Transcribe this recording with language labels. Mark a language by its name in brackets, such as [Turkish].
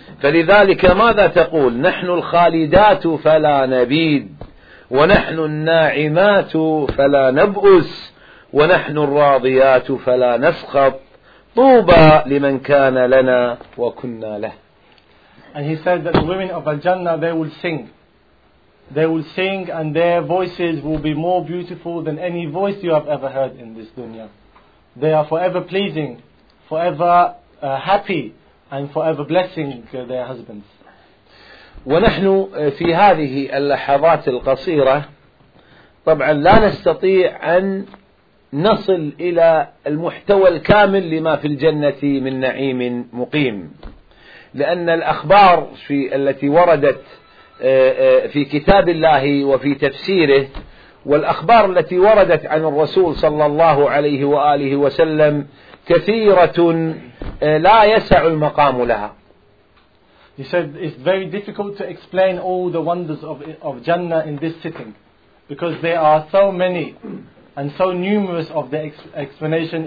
[Arabic] فلذلك ماذا تقول؟ نحن الخالدات فلا نبيد، ونحن الناعمات فلا نبؤس، ونحن الراضيات فلا نسخط، طوبى لمن كان لنا وكنا له. [English] And he said that the women of Al-Jannah, they will sing. They will sing and their voices will be more beautiful than any voice you have ever heard in this dunya. They are forever pleasing, forever happy, and forever blessing their husbands. [Arabic] ونحن في هذه اللحظات القصيرة طبعا لا نستطيع أن نصل إلى المحتوى الكامل لما في الجنة من نعيم مقيم، لأن الأخبار في التي وردت في كتاب الله وفي تفسيره والأخبار التي وردت عن الرسول صلى الله عليه وآله وسلم كثيرة لا يسع المقام لها. [English] He said it's very difficult to explain all the wonders of Jannah in this sitting, because there are so many and so numerous of the explanation.